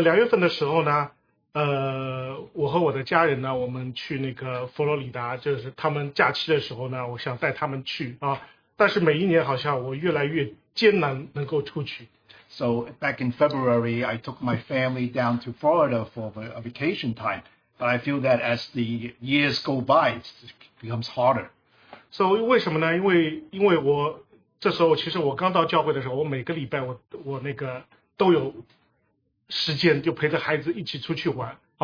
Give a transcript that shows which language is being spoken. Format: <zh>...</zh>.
<zh>两月份的时候呢。我和我的家人呢，我们去那个佛罗里达，就是他们假期的时候呢，我想带他们去啊。但是每一年好像我越来越艰难能够出去。</zh> <en>So back in February, I took my family down to Florida for a vacation time. But I feel that as the years go by, it becomes harder. So</en> <zh>为什么呢？因为我这时候其实我刚到教会的时候，我每个礼拜我那个都有时间就陪着孩子一起出去玩。</zh>